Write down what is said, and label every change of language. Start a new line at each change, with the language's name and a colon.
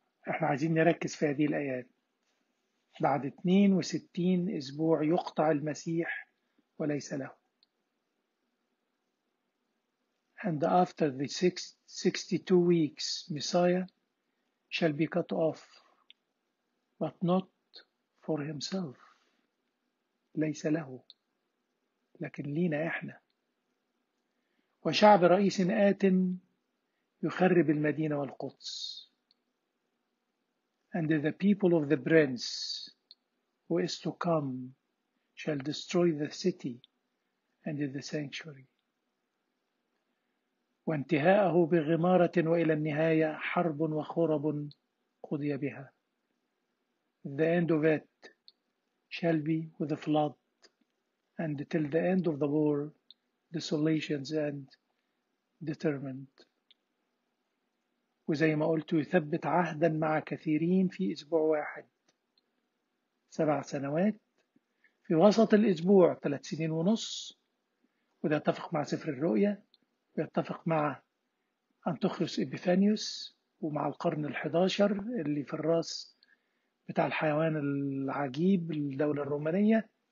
Arabic: احنا عايزين نركز في هذه الآيات. بعد 62 أسبوع يقطع المسيح وليس له.
English: And after the 62 weeks Messiah shall be cut off but not for himself.
Arabic: ليس له لكن لينا احنا. وشعب رئيس آت يخرب المدينة والقدس.
English: And the people of the prince who is to come shall destroy the city and the sanctuary.
Arabic: وانتهاءه بغمارة وإلى النهاية حرب وخرب قضي بها.
English: The end of it shall be with a flood and till the end of the war desolations and determined.
Arabic: وزي ما قلت يثبت عهدا مع كثيرين في أسبوع واحد 7 سنوات، في وسط الأسبوع 3.5 سنين، وده يتفق مع سفر الرؤية ويتفق مع أنتوخوس إبيفانيوس ومع القرن 11 اللي في الرأس بتاع الحيوان العجيب الدولة الرومانية.